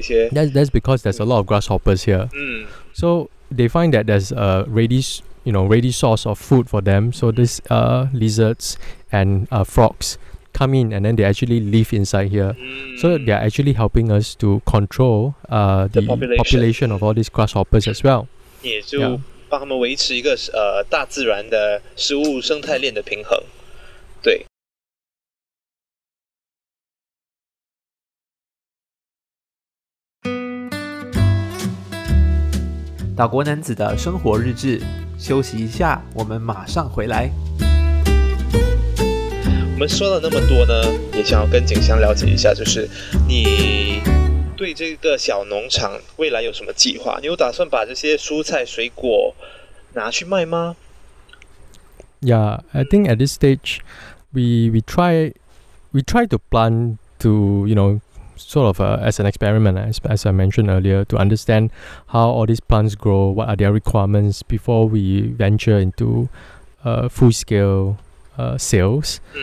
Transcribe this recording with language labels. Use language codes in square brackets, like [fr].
[en] That's because there's a lot of grasshoppers here. So they find that there's a ready source of food for them. So this lizards and frogs come in, and then they actually live inside here. So they are actually helping us to control the population of all these grasshoppers as well. [zh] 帮他们维持一个大自然的食物生态链的平衡。对。岛国男子的生活日志，休息一下，我们马上回来。我们说了那么多呢，也想要跟景香了解一下，就是你对这个小农场未来有什么计划？你有打算把这些蔬菜水果拿去卖吗？ [en] Yeah, I think at this stage, we try to plan to, you know, sort of as an experiment, as I mentioned earlier, to understand how all these plants grow, what are their requirements before we venture into full scale sales.